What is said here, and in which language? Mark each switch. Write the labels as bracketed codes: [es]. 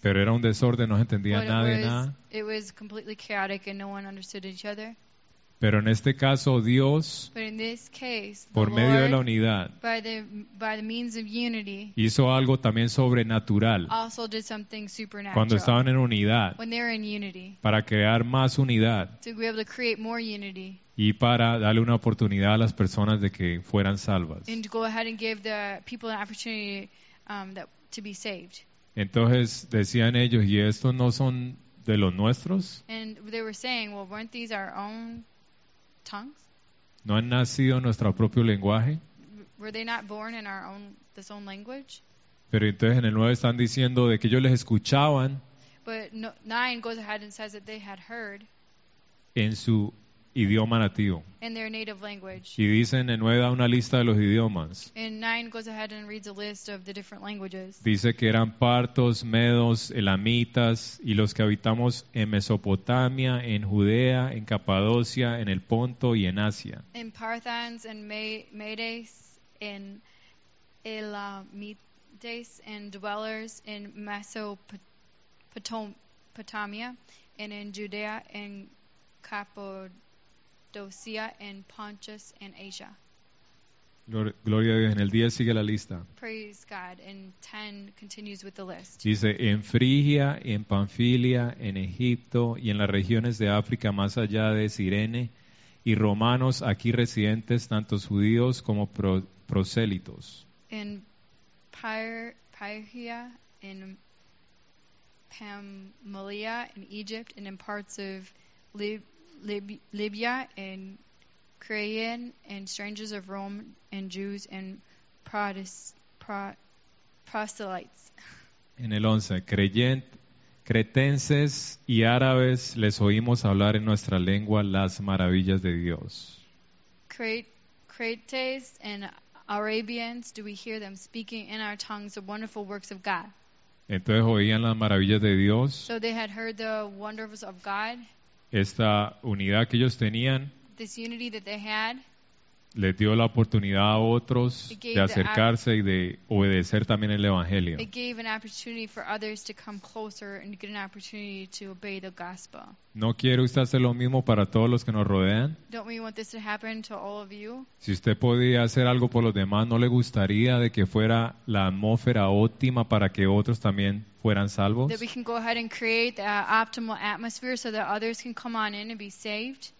[es] Pero era un desorden, no se entendía nada de nada. [en] It was completely chaotic and no one understood each other. [es] Pero en este caso Dios, [en] case, [es] por medio [en] Lord, [es] de la unidad, [en] by the means of unity, [es] hizo algo también sobrenatural [en] also did something supernatural, [es] cuando estaban en unidad, [en] when they were in unity, [es] para crear más unidad [en] to be able to create more unity, [es] y para darle una oportunidad a las personas de que fueran salvas. [en] And to go ahead and give the people an opportunity to be saved. [es] Entonces decían ellos, ¿y estos no son de los nuestros? [en] And they were saying, well, weren't these our own tongues? [es] ¿No han nacido en nuestro propio lenguaje? [en] Were they not born in our own this own language? [es] Pero entonces en el 9 están diciendo de que ellos les escuchaban. [en] But 9 goes ahead and says that they had heard [es] en su idioma nativo. [en] In their native language. [es] Y dicen en 9 da una lista de los idiomas. [en] And 9 goes ahead and reads a list of the different languages. [es] Dice que eran partos, medos, elamitas y los que habitamos en Mesopotamia, en Judea, en Capadocia, en el Ponto y en Asia. [en] In Parthians and Medes, in Elamites and dwellers in Mesopotamia and in Judea and Capadocia and Pontus and Asia. [es] Gloria a Dios. En el 10 sigue la lista. [en] Praise God. And 10 continues with the list. [es] Dice, en Frigia, en Panfilia, en Egipto y en las regiones de África más allá de Cirene y romanos aquí residentes, tanto judíos como prosélitos. En Pyrgia, en Pamphylia, en Egipto y en partes [en] of Libya and Crayon and strangers of Rome and Jews and proselytes. [es] En el 11, cretenses y árabes les oímos hablar en nuestra lengua las maravillas de Dios. [en] Cretes and Arabians, do we hear them speaking in our tongues the wonderful works of God? [es] Entonces oían las maravillas de Dios. [en] So they had heard the wonders of God. [es] Esta unidad que ellos tenían, [en] this unity that they had, [es] les dio la oportunidad a otros de acercarse y de obedecer también el evangelio. [en] It gave an opportunity for others to come closer and get an opportunity to obey the gospel. [es] ¿No quiere usted hacer lo mismo para todos los que nos rodean? [en] Don't we want this to happen to all of you? [es] Si usted podía hacer algo por los demás, ¿no le gustaría de que fuera la atmósfera óptima para que otros también fueran salvos? [en] That we can go ahead and create the optimal atmosphere so that others can come on in and be saved.